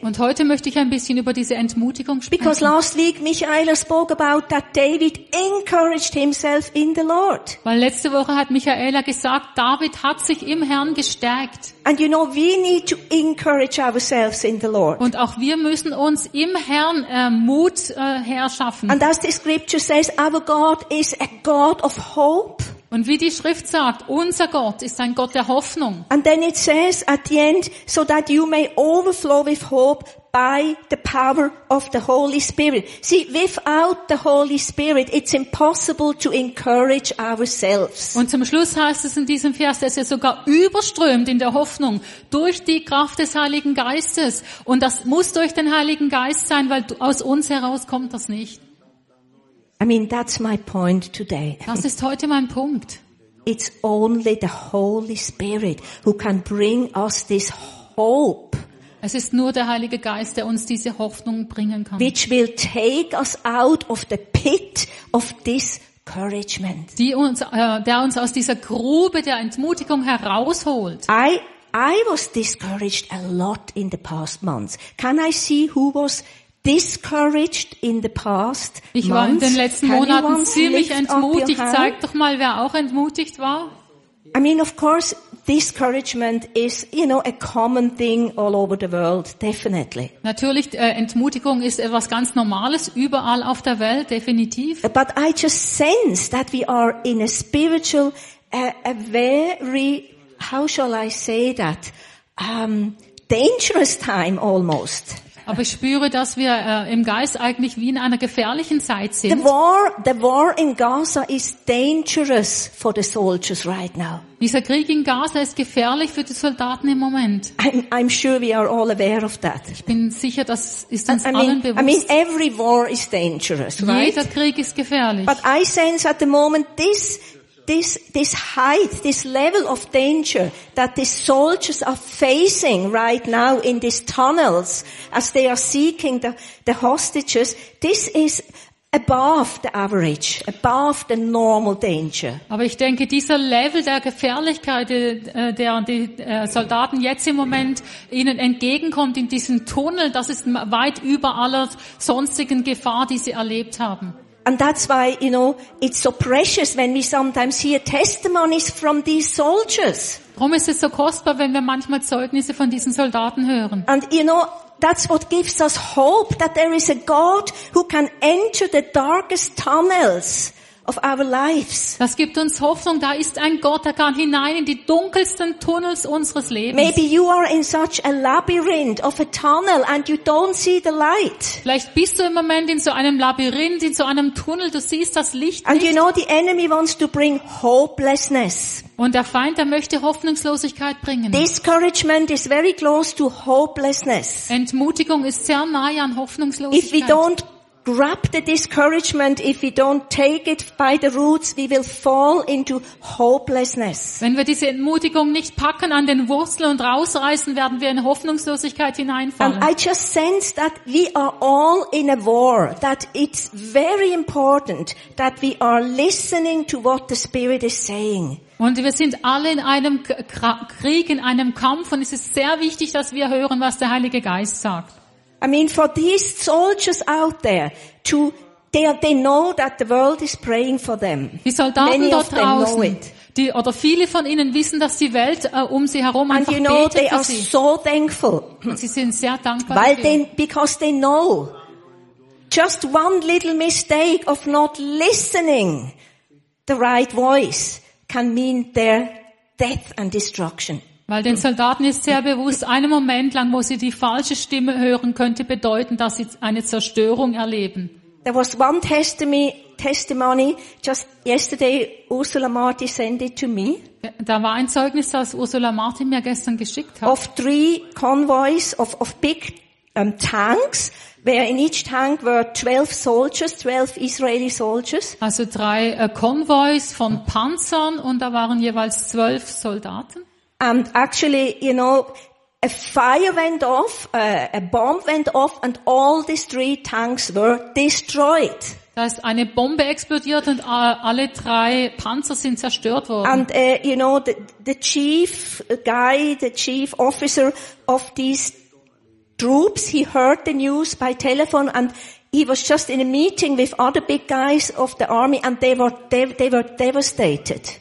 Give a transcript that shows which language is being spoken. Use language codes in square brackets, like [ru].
[de] Und heute möchte ich ein bisschen über diese Entmutigung sprechen. [en] Because last week Michaela spoke about that David encouraged himself in the Lord. [de] Weil letzte Woche hat Michaela gesagt, David hat sich im Herrn gestärkt. [en] And you know, we need to encourage ourselves in the Lord. [de] Und auch wir müssen uns im Herrn Mut herschaffen. [en] And as the scripture says, our God is a God of hope. [de] Und wie die Schrift sagt, unser Gott ist ein Gott der Hoffnung. [en] And then it says at the end, so that you may overflow with hope by the power of the Holy Spirit. See, without the Holy Spirit, it's impossible to encourage ourselves. [de] Und zum Schluss heißt es in diesem Vers, dass er sogar überströmt in der Hoffnung durch die Kraft des Heiligen Geistes. Und das muss durch den Heiligen Geist sein, weil aus uns heraus kommt das nicht. [en] I mean, that's my point today. [de] Das ist heute mein Punkt. [en] It's only the Holy Spirit who can bring us this hope. [de] Es ist nur der Heilige Geist, der uns diese Hoffnung bringen kann. [en] Which will take us out of the pit of discouragement. [de] Der uns aus dieser Grube der Entmutigung herausholt. [en] I was discouraged a lot in the past months. Can I see who was discouraged in the past? [de] Ich war in den letzten Monaten ziemlich entmutigt. Zeig doch mal, wer auch entmutigt war. [en] I mean, of course, discouragement is, you know, a common thing all over the world, definitely. [de] Natürlich, Entmutigung ist etwas ganz Normales überall auf der Welt, definitiv. [en] But I just sense that we are in a spiritual, a very, how shall I say that, dangerous time almost. [de] Aber ich spüre, dass wir im Geist eigentlich wie in einer gefährlichen Zeit sind. [en] The war in Gaza is dangerous for the soldiers right now. [de] Dieser Krieg in Gaza ist gefährlich für die Soldaten im Moment. [en] I'm sure we are all aware of that. [de] Ich bin sicher, das ist uns allen bewusst. [en] I mean, every war is dangerous, right? [de] Jeder Krieg ist gefährlich. [en] But I sense at the moment this height, this level of danger that these soldiers are facing right now in these tunnels as they are seeking the hostages, this is above the average, above the normal danger. [de] Aber ich denke, dieser Level der Gefährlichkeit, der die Soldaten jetzt im Moment ihnen entgegenkommt in diesem Tunnel, das ist weit über aller sonstigen Gefahr, die sie erlebt haben. [en] And that's why, you know, it's so precious when we sometimes hear testimonies from these soldiers. [de] Warum ist es so kostbar, wenn wir manchmal Zeugnisse von diesen Soldaten hören? [en] And you know, that's what gives us hope, that there is a God who can enter the darkest tunnels of our lives. [de] Das gibt uns Hoffnung, da ist ein Gott, der kann hinein in die dunkelsten Tunnels unseres Lebens. [en] Maybe you are in such a labyrinth of a tunnel and you don't see the light. [de] Vielleicht bist du im Moment in so einem Labyrinth, in so einem Tunnel, du siehst das Licht nicht. [en] And you know, the enemy wants to bring hopelessness. [de] Und der Feind, der möchte Hoffnungslosigkeit bringen. [en] Discouragement is very close to hopelessness. [de] Entmutigung ist sehr nahe an Hoffnungslosigkeit. [en] If we don't grab the discouragement, if we don't take it by the roots, we will fall into hopelessness. [de] Wenn wir diese Entmutigung nicht packen an den Wurzeln und rausreißen, werden wir in Hoffnungslosigkeit hineinfallen. [en] And I just sense that we are all in a war, that it's very important that we are listening to what the Spirit is saying. [de] Und wir sind alle in einem Krieg, in einem Kampf, und es ist sehr wichtig, dass wir hören, was der Heilige Geist sagt. [en] I mean, for these soldiers out there, they know that the world is praying for them. [de] Die Soldaten Many dort draußen, die oder viele von ihnen wissen, dass die Welt um sie herum einfach betet. [en] And you know, they are [de] sie. [en] So thankful. [de] Und sie sind sehr dankbar. Weil dafür. [en] Because they know, just one little mistake of not listening the right voice can mean their death and destruction. [de] Weil den Soldaten ist sehr bewusst, einen Moment lang, wo sie die falsche Stimme hören, könnte bedeuten, dass sie eine Zerstörung erleben. [en] There was one testimony just yesterday Ursula Marti sent it to me. [de] Da war ein Zeugnis, das Ursula Marti mir gestern geschickt hat. [en] Of three convoys of big tanks, where in each tank were 12 soldiers, 12 Israeli soldiers. [de] Also drei Konvois von Panzern und da waren jeweils 12 Soldaten. [en] And actually, you know, a fire went off, a bomb went off, and all these three tanks were destroyed. [de] Da ist eine Bombe explodiert und alle drei Panzer sind zerstört worden. [en] And you know, the chief officer of these troops, he heard the news by telephone, and he was just in a meeting with other big guys of the army, and they were devastated.